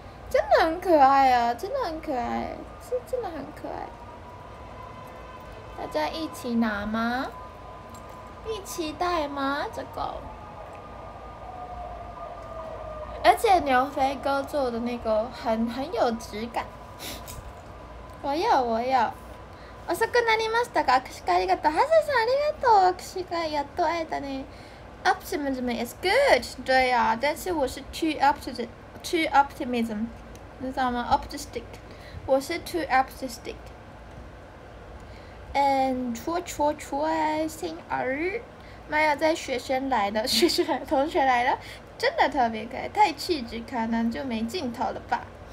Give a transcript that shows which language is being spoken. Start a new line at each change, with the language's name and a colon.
Chinese: 真的很可爱啊，真的很可爱，是真的很可爱。大家一起拿吗？一起带吗？这个。而且牛飞哥做的那个很有质感。我要。
Japanese: 遅くなりましたが、握手会ありがとう。ハセさんありがとう。握手会やっと会えたね。
English: Optimism is good。
Chinese: 对啊，但是我是
English: too optimism。
Chinese: 你知道吗 ？
English: Optimistic，
Chinese: 我是
English: too optimistic。
Chinese: 嗯，戳心儿，妈呀，在学生来的同学来了，真的特别可爱，太气质可能就没镜头了吧？